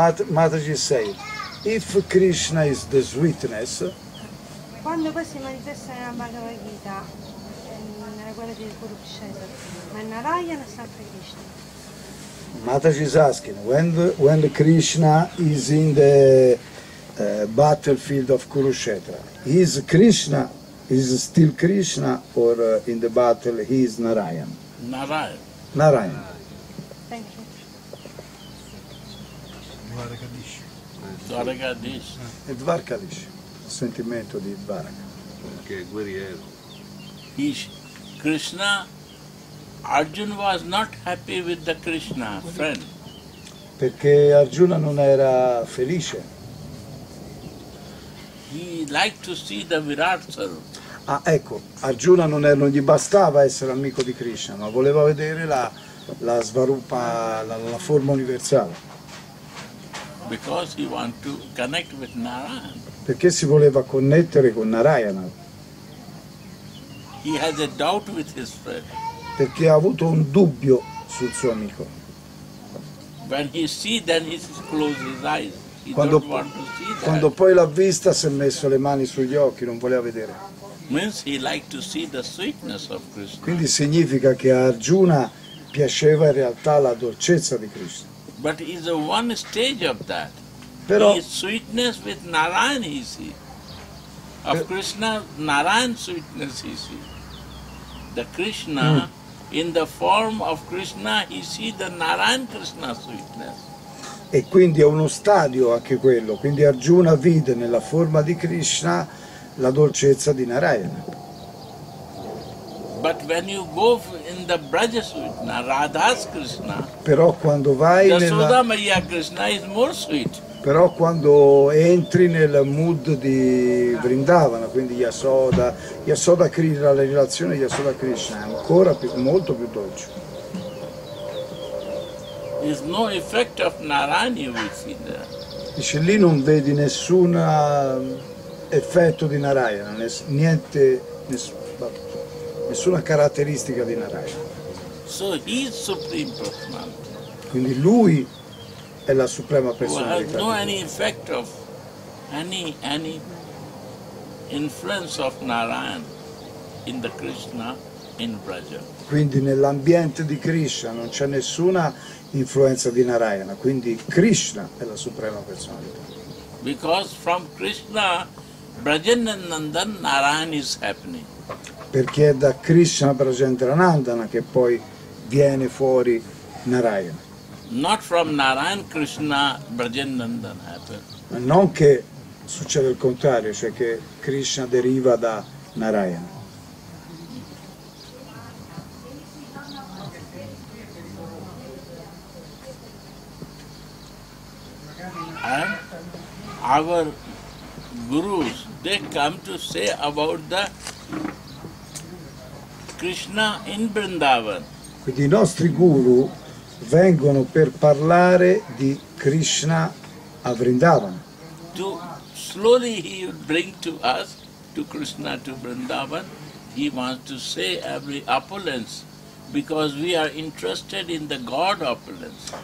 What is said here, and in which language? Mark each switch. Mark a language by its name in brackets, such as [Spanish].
[English] Mataji say, if Krishna is the sweetness, [Italian] quando poi si manifesta nella Bhagavad Gita, nella guerra di Kurukshetra, ma Narayana sempre Krishna. [English] Mataji is asking, when the Krishna is in the battlefield of Kurukshetra, is Krishna, is still Krishna, or in the battle he is Narayan? Narayan. Thank you. Dvarakadish. [Italian] Il sentimento di Dvaraka. Che guerriero. [English] Krishna, Arjun was not happy with the Krishna friend. [Italian] Perché Arjuna non era felice. [English] He liked to see the Virat Swarup. [Italian] Ah, ecco, Arjuna non gli bastava essere amico di Krishna, ma voleva vedere la Svarupa, la forma universale. [English] Because he wanted to connect with Narayana. [Italian] Perché si voleva connettere con Narayana. [English] He has a doubt with his friend. [Italian] Perché ha avuto un dubbio sul suo amico. [English] When he see, then he closes his eyes. [Italian] Quando poi l'ha vista, si è messo le mani sugli occhi, non voleva vedere. [English] Means he liked to see the sweetness of Krishna. [Italian] Quindi significa che a Arjuna piaceva in realtà la dolcezza di Krishna. [English] But is one stage of that. [Italian] Però [English] his sweetness with Narayana he see. Of Krishna, Narayana sweetness he see. The Krishna in the form of Krishna he see the Narayana Krishna sweetness. [Italian] E quindi è uno stadio anche quello, quindi Arjuna vide nella forma di Krishna la dolcezza di Narayana. [English] But when you go in the Braja sweet, Radha's Krishna. [Italian] Però quando vai [English] nella Yashoda Maria Krishna is more sweet. [Italian] Però quando entri nel mood di Vrindavana, quindi Yashoda Krishna, la relazione di Yashoda Krishna è ancora più, molto più dolce. [English] There's no effect of Narayana you will see there. [Italian] Dice lì non vedi nessuna effetto di Narayana, nessuna caratteristica di Narayana. [English] So he is supreme personality. [Italian] Quindi lui è la suprema personalità. [English] Well, no any effect of any influence of Narayana in the Krishna in Braja. [Italian] Quindi nell'ambiente di Krishna non c'è nessuna influenza di Narayana, quindi Krishna è la suprema personalità. [English] Because from Krishna Brajendranandan Narayan is happening. [Italian] Perché è da Krishna Brajendranandana che poi viene fuori Narayana. [English] Not from Narayan Krishna Brajendranandan happen. [Italian] Ma non che succede il contrario, cioè che Krishna deriva da Narayana. [English] Our gurus, they come to say about the Krishna in Vrindavan. Quindi i nostri guru vengono per parlare di Krishna a Vrindavan. To slowly he will bring to us, to Krishna, to Vrindavan. He wants to say every opulence, because we are interested in the God opulence.